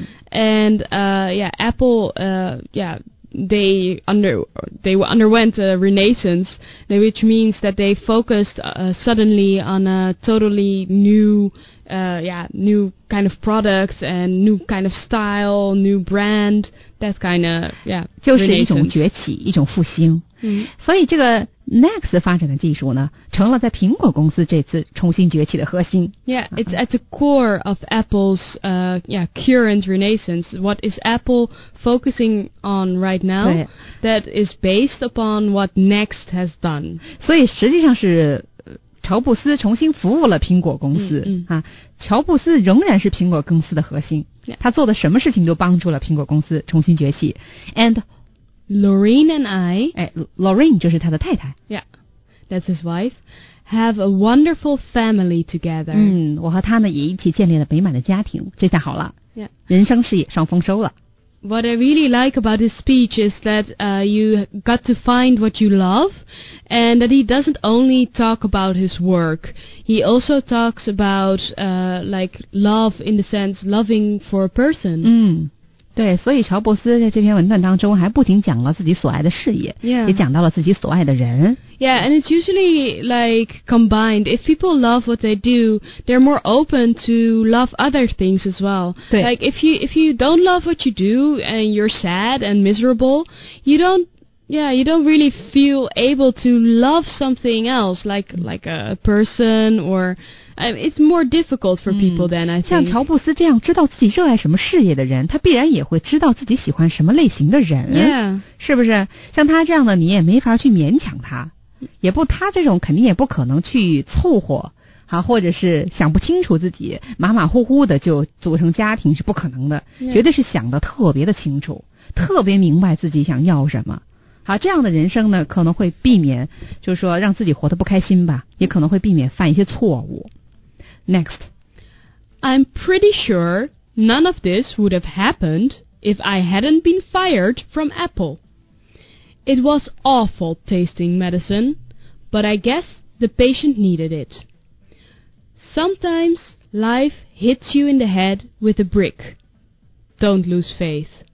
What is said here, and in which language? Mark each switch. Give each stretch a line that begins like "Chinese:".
English: And Apple underwent a renaissance, which means that they focused suddenly on a totally new kind of product and new kind of style, new brand, that kind of, yeah.
Chinese: 就是一种崛起，一种复兴。嗯。所以这个 Next 发展的技术呢，成了在苹果公司这次重新崛起的核心。
English: Yeah, it's at the core of Apple's, current renaissance. What is Apple focusing on right now? That is based upon what Next has done.
Chinese: 所以实际上是乔布斯重新服务了苹果公司、嗯嗯啊、乔布斯仍然是苹果公司的核心、
English: yeah.
Chinese: 他做的什么事情都帮助了苹果公司重新崛起
English: And Lorraine and I、
Chinese: 哎、Lorraine 就是他的太太
English: Yeah, that's his wife Have a wonderful family together、
Chinese: 嗯、我和他呢也一起建立了美满的家庭这下好了、
English: yeah.
Chinese: 人生事业双丰收了
English: What I really like about his speech is that you got to find what you love and that he doesn't only talk about his work. He also talks about like love in the sense loving for a person.
Chinese: 嗯，对，所以乔布斯在这篇文段当中还不仅讲了自己所爱的事业、
English: yeah.
Chinese: 也讲到了自己所爱的人。
English: Yeah, and it's usually like combined. If people love what they do, they're more open to love other things as well. Like if you don't love what you do and you're sad and miserable, you don't really feel able to love something else, like a person or it's more difficult for people than I think.
Chinese: 像乔布斯这样知道自己热爱什么事业的人，他必然也会知道自己喜欢什么类型的人。
English: Yeah,
Chinese: 是不是？像他这样的，你也没法去勉强他。也不，他这种肯定也不可能去凑合，啊，或者是想不清楚自己，马马虎虎的就组成家庭是不可能的，
English: yeah.
Chinese: 绝对是想得特别的清楚，特别明白自己想要什么。好，这样的人生呢，可能会避免，就是说让自己活得不开心吧，也可能会避免犯一些错误。
English: Next. I'm pretty sure none of this would have happened if I hadn't been fired from Apple. It was awful tasting medicine, but I guess the patient needed it. Sometimes life hits you in the head with a brick. Don't lose faith.